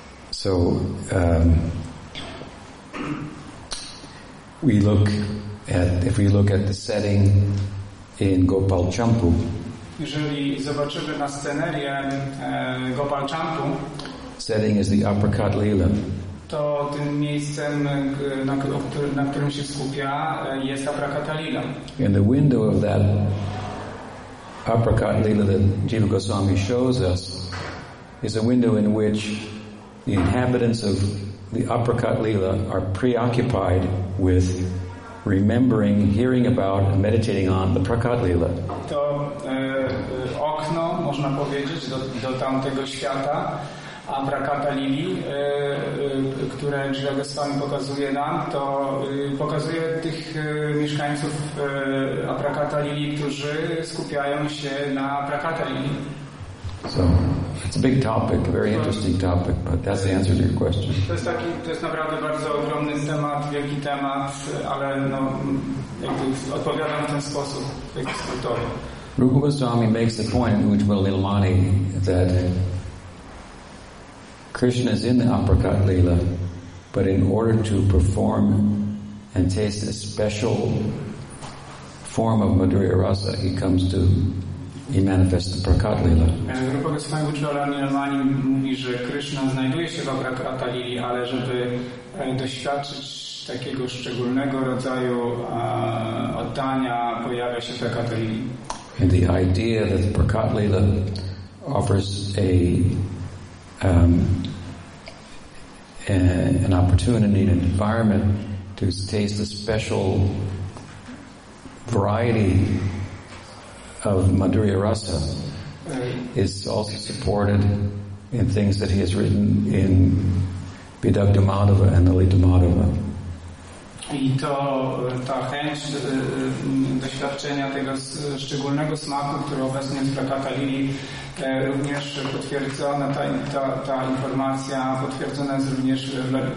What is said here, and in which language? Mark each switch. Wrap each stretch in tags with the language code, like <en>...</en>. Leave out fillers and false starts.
<en>So if we look at the setting in Gopalchampu.</en> <pl>Jeżeli zobaczymy na scenerię Gopalchampu,</pl> <en>setting is the aprakat lila.</en> <pl>To tym miejscem, na którym się skupia, jest aprakata lila.</pl> <en>In the window of that aprakat lila that Jiva Goswami shows us is a window in which the inhabitants of the aprakat lila are preoccupied with remembering, hearing about, and meditating on the prakat lila.</en> <pl>To okno, można powiedzieć, do tamtego świata, aprakata lili, które Jiva Goswami pokazuje nam, to pokazuje tych mieszkańców aprakata lili, którzy skupiają się na prakata lili.</pl> <en>So, It's a big topic, a very interesting topic, but that's the answer to your question.</en> <pl>To jest taki, to jest naprawdę bardzo ogromny temat, wielki temat, ale no, jakby odpowiadam w ten sposób, jak skrótowo.</pl> <en>Rupa Goswami makes the point, Ujjwala Lilamani, that Krishna is in the apricot lila, but in order to perform and taste a special form of Madhurya Rasa, he comes to, he manifests the prakat lila.</en> <pl>Rupa Goswami Ujjwala Lilamani mówi, że Krishna znajduje się w apricot lili, ale żeby doświadczyć takiego szczególnego rodzaju oddania, pojawia się w prakat lili.</pl> <en>And the idea that the Prakat Lila offers an opportunity, an environment to taste a special variety of Madhurya Rasa is also supported in things that he has written in Vidagdha Madhava and the Lita Madhava.</en> <pl>I to ta chęć doświadczenia tego szczególnego smaku, który obecnie jest w Prakata Lili, również potwierdzona ta informacja, potwierdzona jest również w</pl>